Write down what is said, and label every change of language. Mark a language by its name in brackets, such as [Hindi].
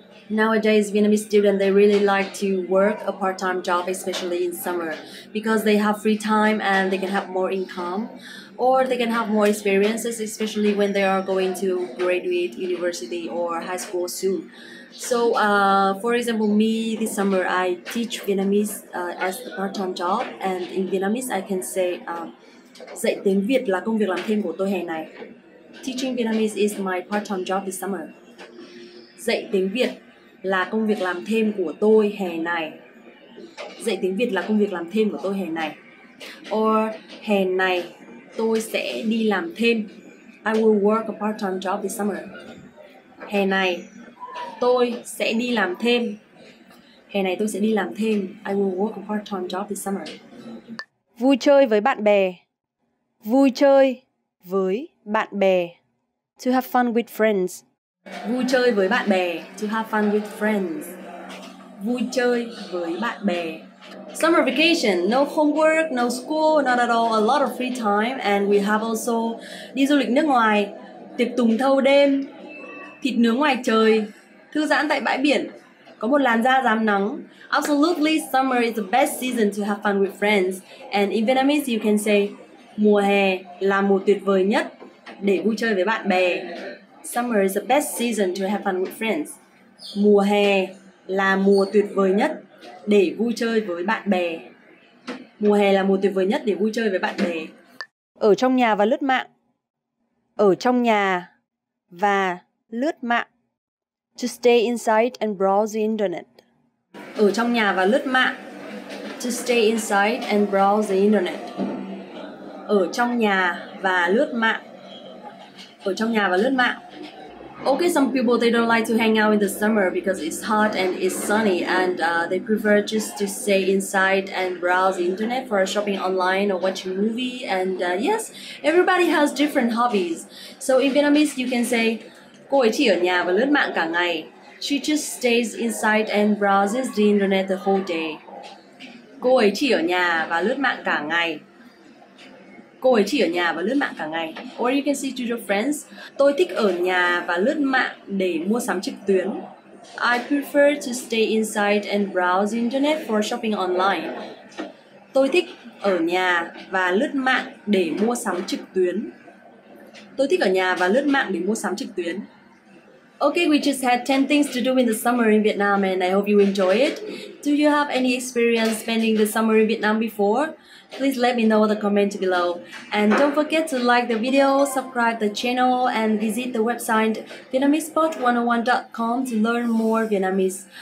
[English] Nowadays, Vietnamese students, they really like to work a part-time job, especially in summer, because they have free time and they can have more income, or they can have more experiences, especially when they are going to graduate university or high school soon. So, for example, me this summer, I teach Vietnamese as a part-time job, and in Vietnamese, I can say, [Vietnamese] dạy tiếng Việt là công việc làm thêm của tôi hè này. [English] Teaching Vietnamese is my part-time job this summer. [Vietnamese] Dạy tiếng Việt là công việc làm thêm của tôi hè này. Dạy tiếng Việt là công việc làm thêm của tôi hè này. Or hè này tôi sẽ đi làm thêm. [English] I will work a part-time job this summer. [Vietnamese] Hè này tôi sẽ đi làm thêm. Hè này tôi sẽ đi làm thêm. [English] I will work a part-time job this summer. [Vietnamese] Vui chơi với bạn bè. Vui chơi với bạn bè. [English] To have fun with friends. [Vietnamese] Vui chơi với bạn bè. [English] To have fun with friends. [Vietnamese] Vui chơi với bạn bè. [English] Summer vacation. No homework, no school, not at all. A lot of free time. And we have also [Vietnamese] đi du lịch nước ngoài. Tiệc tùng thâu đêm. Thịt nướng ngoài trời. Thư giãn tại bãi biển. Có một làn da rám nắng. [English] Absolutely, summer is the best season to have fun with friends. And in Vietnamese, you can say [Vietnamese] mùa hè là mùa tuyệt vời nhất để vui chơi với bạn bè. [English] Summer is the best season to have fun with friends. [Vietnamese] Mùa hè là mùa tuyệt vời nhất để vui chơi với bạn bè. Mùa hè là mùa tuyệt vời nhất để vui chơi với bạn bè. Ở trong nhà và lướt mạng. Ở trong nhà và lướt mạng. [English] To stay inside and browse the internet. [Vietnamese] Ở trong nhà và lướt mạng. [English] To stay inside and browse the internet. [Vietnamese] Ở trong nhà và lướt mạng. Ở trong nhà và lướt mạng. [English] Okay, some people, they don't like to hang out in the summer because it's hot and it's sunny, and they prefer just to stay inside and browse the internet for shopping online or watching a movie. And yes, everybody has different hobbies. So in Vietnamese, you can say, [Vietnamese] cô ấy chỉ ở nhà và lướt mạng cả ngày. [English] She just stays inside and browses the internet the whole day. [Vietnamese] Cô ấy chỉ ở nhà và lướt mạng cả ngày. Cô ấy chỉ ở nhà và lướt mạng cả ngày. [English] Or you can say to your friends, [Vietnamese] tôi thích ở nhà và lướt mạng để mua sắm trực tuyến. [English] I prefer to stay inside and browse the internet for shopping online. [Vietnamese] Tôi thích ở nhà và lướt mạng để mua sắm trực tuyến. Tôi thích ở nhà và lướt mạng để mua sắm trực tuyến. [English] Okay, we just had 10 things to do in the summer in Vietnam, and I hope you enjoy it. Do you have any experience spending the summer in Vietnam before? Please let me know in the comment below. And don't forget to like the video, subscribe the channel, and visit the website VietnamesePod101.com to learn more Vietnamese.